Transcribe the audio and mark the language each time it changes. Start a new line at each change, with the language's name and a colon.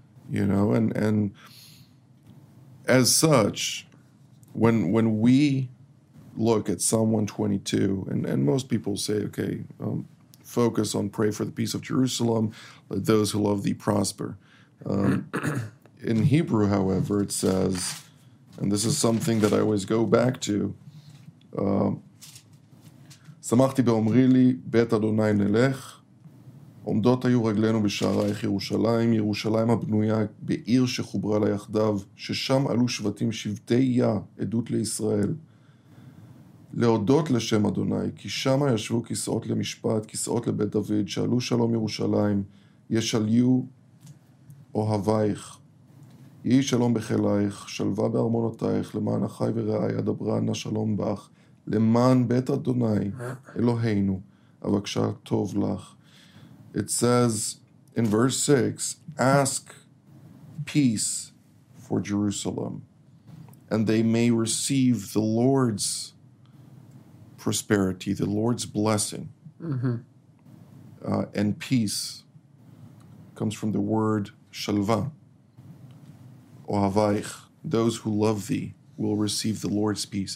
English: You know, and as such, when we look at Psalm 122, and most people say, okay, focus on pray for the peace of Jerusalem, let those who love thee prosper. in Hebrew, however, it says, and this is something that I always go back to,
Hebrew: Samachti be'omri li bet Adonai nelech, עומדות היו רגלינו בשערייך ירושלים, ירושלים הבנויה בעיר שחוברה ליחדיו, ששם עלו שבטים שבטי יה, עדות לישראל. להודות לשם אדוני, כי שם ישבו כיסאות למשפט, כיסאות לבית דוד, שעלו שלום ירושלים, ישליו אוהבייך. יהי שלום בחילייך, שלווה בארמונותייך, למען אחי ורעי, אדברה נא שלום בך, למען בית אדוני, אלוהינו, אבקשה טוב לך.
English: It says in verse 6, ask peace for Jerusalem, and they may receive the Lord's prosperity, the Lord's blessing. Mm-hmm. And peace comes from the word shalva, ohavaych, those who love thee will receive the Lord's peace.